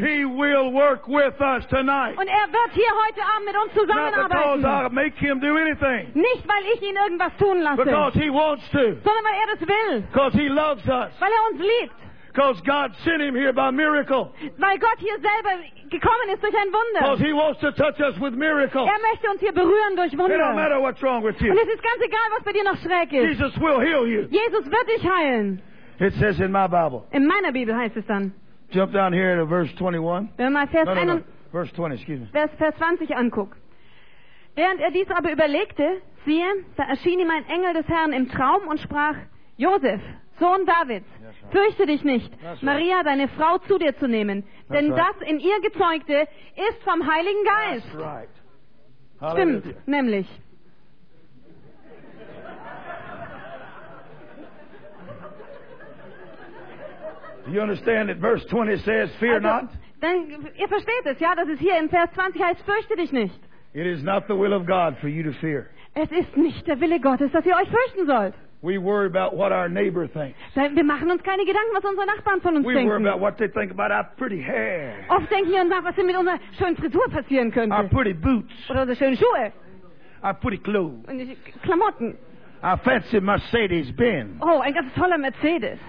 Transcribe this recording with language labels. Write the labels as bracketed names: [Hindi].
[English] He will work with us tonight. [German] Und er wird hier heute Abend mit uns zusammenarbeiten. [English] Not because I make him do anything. [German] Nicht, weil ich ihn irgendwas tun lasse. [English] Because he wants to. [German] Sondern weil er das will. [English] Because he loves us. [German] Weil er uns liebt. [English] Because God sent him here by miracle. [German] Weil Gott hier selber gekommen ist durch ein Wunder. [English] Because he wants to touch us with miracles. [German] Er möchte uns hier berühren durch Wunder. [English] It don't matter what's wrong with you. [German] Und es ist ganz egal, was bei dir noch schräg ist. [English] Jesus will heal you. [German] Jesus wird dich heilen. [English] It says in my Bible. [German] In meiner Bibel heißt es dann. [English] Jump down here to verse 21. [German] Wenn man [English] Vers 20, excuse me. [German] Vers 20 anguckt. Während er dies aber überlegte, siehe, da erschien ihm ein Engel des Herrn im Traum und sprach, Josef, Sohn Davids, fürchte dich nicht, Maria, deine Frau, zu dir zu nehmen. Denn das in ihr Gezeugte ist vom Heiligen Geist. Stimmt, nämlich. [English] Do you understand that verse 20 says, fear not? [German] Denn ihr versteht es, ja, dass es hier in Vers 20 heißt, fürchte dich nicht. [English] It is not the will of God for you to fear. [German] Es ist nicht der Wille Gottes, dass ihr euch fürchten sollt. [English] We worry about what our neighbor thinks. [German] Wir machen uns keine Gedanken, was unsere Nachbarn von uns denken. [English] We worry about what they think about our pretty hair. [German] Oft denken wir nach, was mit unserer schönen Frisur passieren könnte. [English] Our pretty boots. [German] Oder unsere schönen Schuhe. [English] Our pretty clothes. [German] Und Klamotten. [English] Our fancy Mercedes Benz. [German] Oh, ein ganz toller Mercedes.